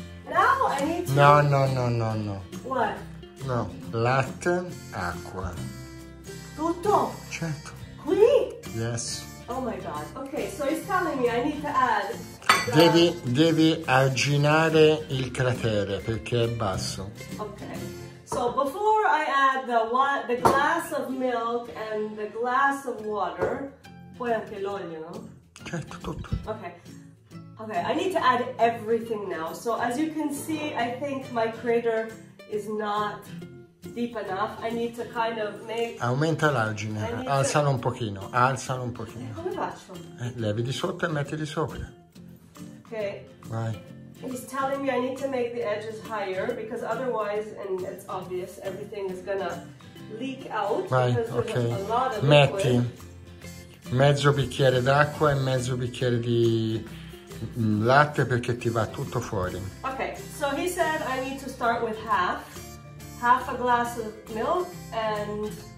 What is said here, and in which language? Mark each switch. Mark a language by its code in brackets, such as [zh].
[en] Now I need to... No. What? [it] No. Latte, acqua. Tutto? Certo. Qui? [en] Yes. Oh my god. Okay, so he's telling me I need to add... [it] Devi arginare il cratere perché è basso. [en] Ok. So before I add the glass of milk and the glass of water, [it] poi anche l'olio, no? Certo, tutto. [en] Okay, I need to add everything now. So as you can see, I think my crater is not deep enough. I need to kind of make... [it] Aumenta l'argine, alzalo un pochino, alzalo un pochino. Come faccio? Levi di sotto e metti di sopra. [en] Okay. [it] Vai. [en] He's telling me I need to make the edges higher because otherwise, and it's obvious, everything is gonna leak out. [it] Vai, [en] because okay. There's a lot of liquid. [it] Metti mezzo bicchiere d'acqua e mezzo bicchiere di latte perché ti va tutto fuori. [en] Okay, so he said I need to start with half a glass of milk and...